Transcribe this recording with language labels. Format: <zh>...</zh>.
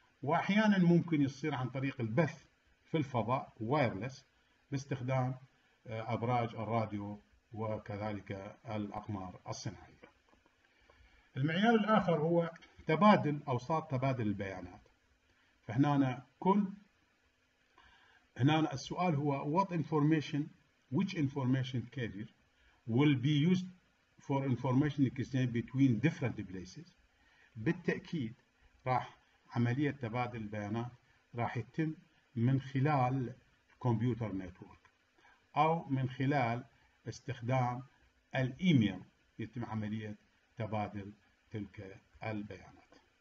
<ar>واحيانا ممكن يصير عن طريق البث في الفضاء وايرلس باستخدام ابراج الراديو وكذلك الاقمار الصناعيه. المعيار الاخر هو تبادل اوساط تبادل البيانات. فهنا كل هنا السؤال هو</ar> <en>what information which information carrier will be used for information exchange between different places.</en> <ar>بالتاكيد راح عملية تبادل البيانات راح يتم من خلال الكمبيوتر نتورك أو من خلال استخدام الإيميل، يتم عملية تبادل تلك البيانات.</ar>